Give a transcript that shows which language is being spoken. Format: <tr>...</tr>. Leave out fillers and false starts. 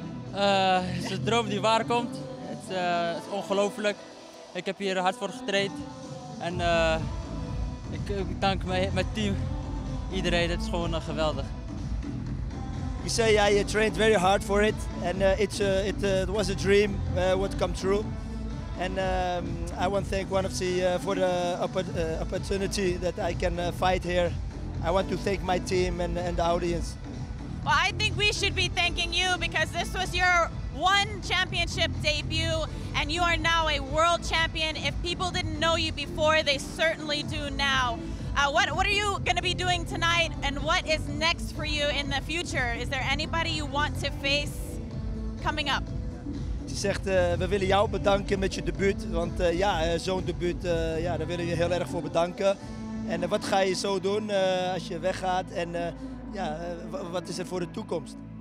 <nl>Het is een droom die waar komt. Het is ongelooflijk. Ik heb hier hard voor getraind. En ik dank mijn team, iedereen. Het is gewoon geweldig.</nl> <en>You say you trained very hard for it. And it was a dream what come true. And I want to thank one of the for the opportunity that I can fight here. I want to thank my team and the audience. Well, I think we should be thanking you because this was your one championship debut and you are now a world champion. If people didn't know you before, they certainly do now. What are you going to be doing tonight and what is next for you in the future? Is there anybody you want to face coming up?</en> <nl>Ze zegt, we willen jou bedanken met je debuut. Want zo'n debuut, daar willen we je heel erg voor bedanken. En wat ga je zo doen als je weggaat? En wat is er voor de toekomst?</nl>